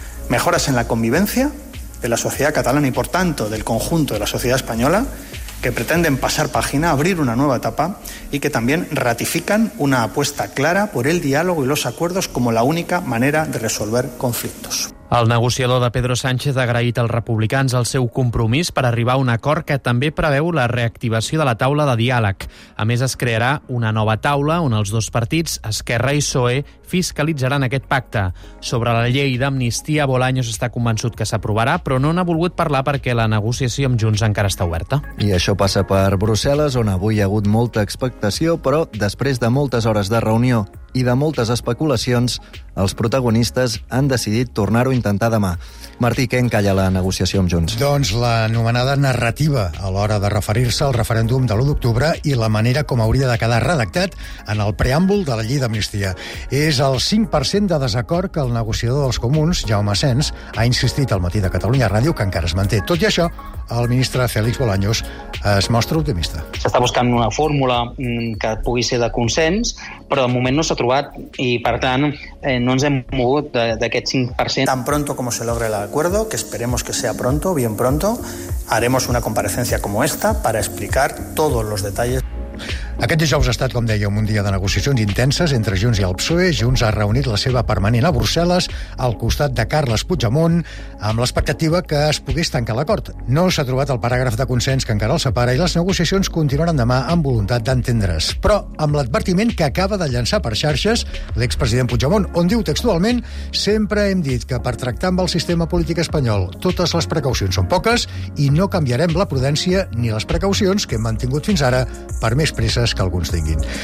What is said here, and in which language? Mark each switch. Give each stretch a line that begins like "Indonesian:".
Spanish: Mejoras en la convivencia de la sociedad catalana y, por tanto, del conjunto de la sociedad española, que pretenden pasar página, abrir una nueva etapa y que también ratifican una apuesta clara por el diálogo y los acuerdos como la única manera de resolver conflictos.
Catalan: El negociador de Pedro Sánchez ha agraït als republicans el seu compromís per arribar a un acord que també preveu la reactivació de la taula de diàleg. A més, es crearà una nova taula on els dos partits, Esquerra i PSOE, fiscalitzaran aquest pacte. Sobre la llei d'amnistia, Bolaños està convençut que s'aprovarà, però no n'ha volgut parlar perquè la negociació amb Junts encara està oberta. I això passa per Brussel·les, on avui hi ha hagut molta expectació, però després de moltes hores de reunió i de moltes especulacions, els protagonistes han decidit tornar-ho a intentar demà. Martí, què encalla la negociació amb Junts? Doncs l'anomenada narrativa a l'hora de referir-se al referèndum de l'1 d'octubre i la manera com hauria de quedar redactat en el preàmbul de la llei d'amnistia. És el 5% de desacord que el negociador dels comuns, Jaume Asens, ha insistit al matí de Catalunya Ràdio que encara es manté. Tot i això, el ministre Félix Bolaños es mostra optimista. S'està buscant una fórmula que pugui ser de consens, però de moment no s'ha trobat i, per tant, no ens hem mogut d'aquest 5%.
Spanish: Tan pronto como se logre el acuerdo, que esperemos que sea pronto, bien pronto, haremos una comparecencia como esta para explicar todos los detalles.
Catalan: Aquest dijous ha estat, com dèiem, un dia de negociacions intenses entre Junts i el PSOE. Junts ha reunit la seva permanent a Brussel·les al costat de Carles Puigdemont amb l'expectativa que es pogués tancar l'acord. No s'ha trobat el paràgraf de consens que encara el separa i les negociacions continuaran demà amb voluntat d'entendre's. Però amb l'advertiment que acaba de llançar per xarxes l'expresident Puigdemont, on diu textualment: sempre hem dit que per tractar amb el sistema polític espanyol totes les precaucions són poques i no canviarem la prudència ni les precaucions que hem mantingut fins ara per més presses que alguns tinguin.